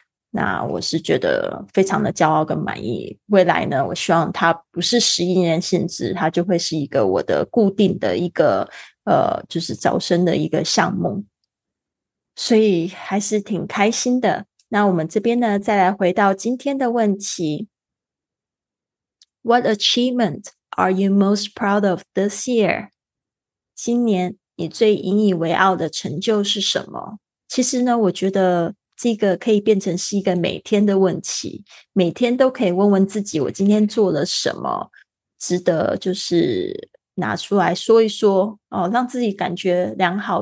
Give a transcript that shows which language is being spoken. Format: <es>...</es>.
<zh>那我是觉得非常的骄傲跟满意。未来呢我希望它不是11年限制，它就会是一个我的固定的一个就是招生的一个项目，所以还是挺开心的。那我们这边呢再来回到今天的问题。</zh> <en>What achievement are you most proud of this year?</en> <zh>今年你最引以为傲的成就是什么？其实呢我觉得这个可以变成是一个每天的问题，每天都可以问问自己，我今天做了什么值得就是拿出来说一说、哦、让自己感觉良好。</zh>